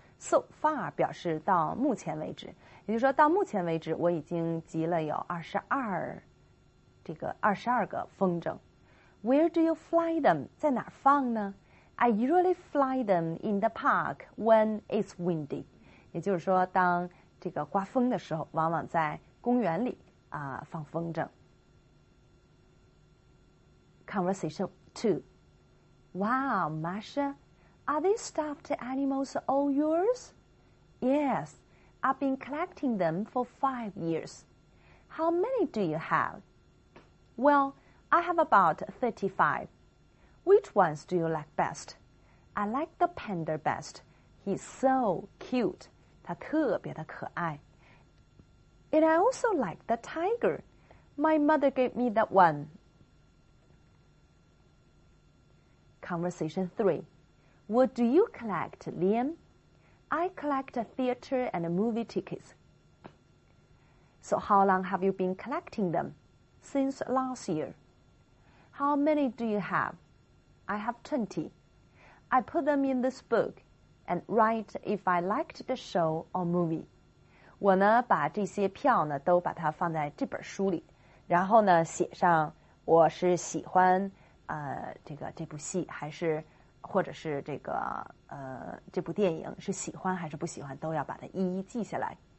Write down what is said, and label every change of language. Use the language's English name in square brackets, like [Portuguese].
[Chinese] So far 表示到目前为止，也就是说到目前为止我已经集了有22个风筝。 [English] Where do you fly them? 在哪放呢？ I usually fly them in the park when it's windy. [Chinese] 也就是说当这个刮风的时候，往往在公园里啊放风筝。 [English] Conversation 2. Wow, Masha, are these stuffed animals all yours? Yes, I've been collecting them for 5 years. How many do you have? Well, I have about 35. Which ones do you like best? I like the panda best. He's so cute. 他特别的可爱。 And I also like the tiger. My mother gave me that one. Conversation 3. What do you collect, Liam? I collect theater and movie tickets. So how long have you been collecting them? Since last year. How many do you have? I have 20. I put them in this book and write if I liked the show or movie. [Chinese] 我呢把这些票呢都把它放在这本书里，然后呢写上我是喜欢这个这部戏还是或者是这个这部电影是喜欢还是不喜欢，都要把它一一记下来。